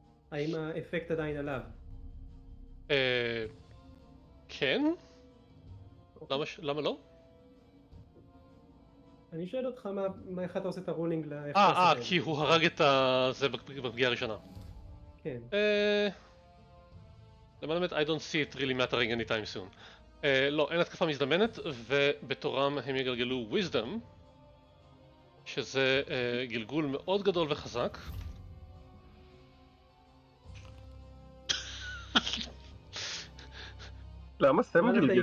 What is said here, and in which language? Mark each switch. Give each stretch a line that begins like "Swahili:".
Hebrew: האם האפקט עדיין עליו? כן? למה לא? אני שואל אותך מה, איך אתה עושה את הרולינג לאיך לעשות את זה? כי הוא הרג את זה בפגיעה הראשונה. כן. למען האמת,
English: I don't see it really mattering anytime soon.
Hebrew: לא, אין התקפה מזדמנת, ובתורם הם יגלגלו wisdom, שזה גלגול מאוד גדול וחזק. למה סתם גלגל?